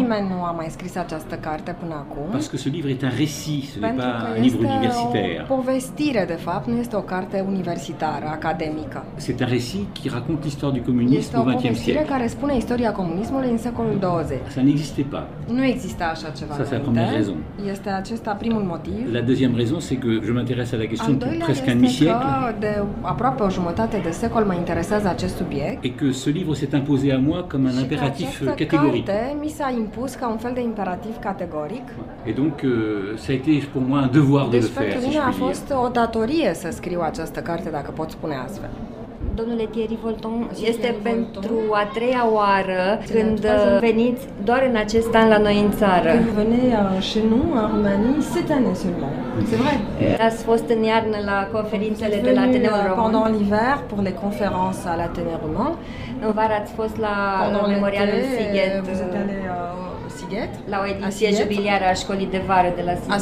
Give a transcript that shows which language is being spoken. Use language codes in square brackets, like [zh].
[ro] Nimeni nu a mai scris această carte până acum. [fr] Parce que ce livre est un récit, ce n'est pas un livre universitaire. [ro] O povestire, de fapt, nu este o carte universitară, academică. [fr] C'est un récit qui raconte l'histoire du communisme au XXe siècle. [ro] Este o povestire care spune istoria comunismului în secolul 20. [fr] Ça n'existait pas. [ro] Nu exista așa ceva. [fr] Ça, c'est la première raison. [ro] Este acesta primul motiv. [fr] La deuxième raison, c'est que je m'intéresse à la question depuis presque un demi-siècle. [ro] De aproape o jumătate de secol mă interesează. [fr] Et que ce livre s'est imposé à moi comme un impératif catégorique. [ro] Mi s-a impus ca un fel de imperativ categoric. [fr] Et donc ça a été pour moi un devoir de le faire. [ro] Deci pentru mine a fost o datorie să scriu această carte, dacă pot spune astfel. Domnule Thierry Volton, este pentru a treia oară când veniți doar în acest an la noi în țară. Când veniți și nu, în România, [fr] cette année seulement. C'est vrai. [ro] Ați fost în iarnă la conferințele de l'Athénée Roman. [fr] Pendant l'hiver, pour les conférences à l'Athénée Roman. [ro] În vară ați fost la memorialul Siget. [fr] Vous êtes allé au Siget. [ro] La o ediție jubiliară a școlii de vară de la Siget.